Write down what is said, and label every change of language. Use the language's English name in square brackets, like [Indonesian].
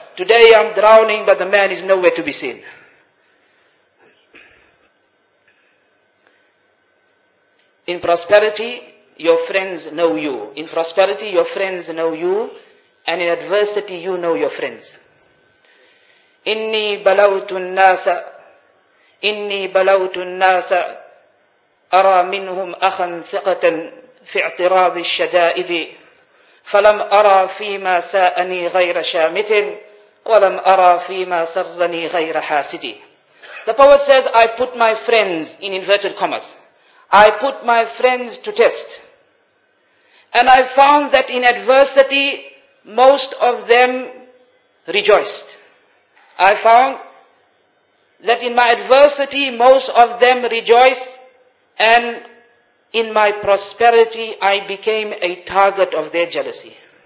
[English] Today I'm drowning, but the man is nowhere to be seen. In prosperity, your friends know you. In prosperity, your friends know you. And in adversity, you know your friends. [Arabic] Inni balawtu an-nasa. إني بلوت الناس أرى منهم أخا ثقة في اعتراض الشدائد فلم أرى فيما ساءني غير شامت ولم أرى فيما سرني غير حاسد. [English] The poet says, I put my friends in inverted commas. I put my friends to test. And I found that in adversity, most of them rejoiced. I found that in my adversity, most of them rejoiced, and in my prosperity, I became a target of their jealousy.